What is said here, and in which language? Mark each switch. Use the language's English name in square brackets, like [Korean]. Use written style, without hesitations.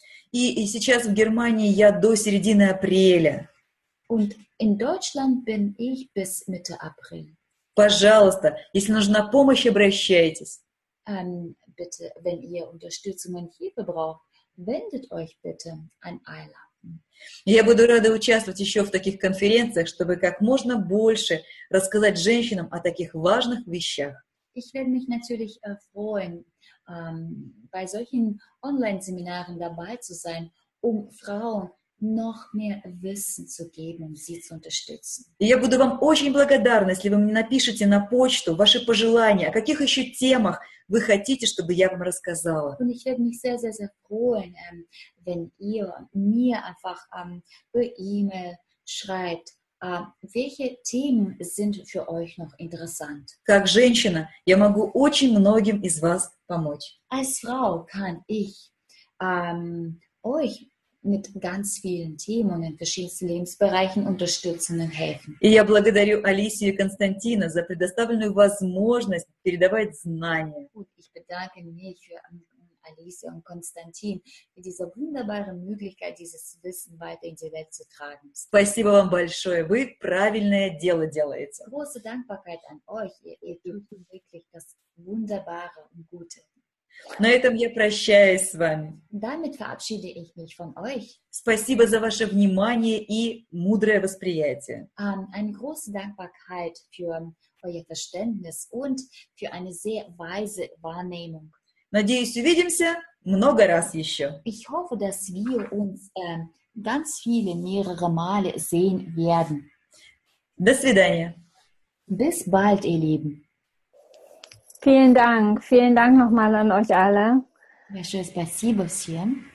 [Russian] И сейчас в Германии я до середины апреля. [German] Und in Deutschland bin ich bis Mitte April. [Russian] Пожалуйста, если нужна помощь, обращайтесь. [German] Bitte, wenn ihr Unterstützung und Hilfe braucht, wendet euch bitte an Ayla. [Russian] Я буду рада участвовать еще в таких конференциях, чтобы как можно больше рассказать женщинам о таких важных вещах. [German] Ich werde mich natürlich freuen, bei solchen Online-Seminaren dabei zu sein, um Frauen noch mehr Wissen zu geben, um sie zu unterstützen. [Russian] Я буду вам очень благодарна, если вы мне напишете на почту ваши пожелания, о каких еще темах вы хотите, чтобы я вам рассказала. [German] Und ich würde mich sehr, sehr, sehr freuen, wenn ihr mir einfach per E-Mail schreibt, welche Themen sind für euch noch interessant? [Russian] Как женщина, я могу очень многим из вас помочь. [German] Als Frau kann ich euch mit ganz vielen Themen in verschiedenen Lebensbereichen unterstützen und helfen. [Russian] И я благодарю Алисию и Константина за предоставленную возможность передавать знания. [German] Und ich bedanke mich für Alicia und Konstantin für diese wunderbare Möglichkeit, dieses Wissen weiter in die Welt zu tragen. [Russian] Спасибо вам большое. Вы правильное дело делаете. [German] Große Dankbarkeit an euch. Ihr tut wirklich das Wunderbare und Gute. [Russian] На этом я прощаюсь с вами. [German] Damit verabschiede ich mich von euch. [Russian] Спасибо за ваше внимание и мудрое восприятие. [German] Eine große Dankbarkeit für euer Verständnis und für eine sehr weise Wahrnehmung. [Russian] Надеюсь, увидимся много раз еще. [German] Ich hoffe, dass wir uns ganz viele mehrere Male sehen werden. [Russian] До свидания. [German] Bis bald, ihr Lieben. Vielen Dank nochmal an euch alle. [Russian] Спасибо всем.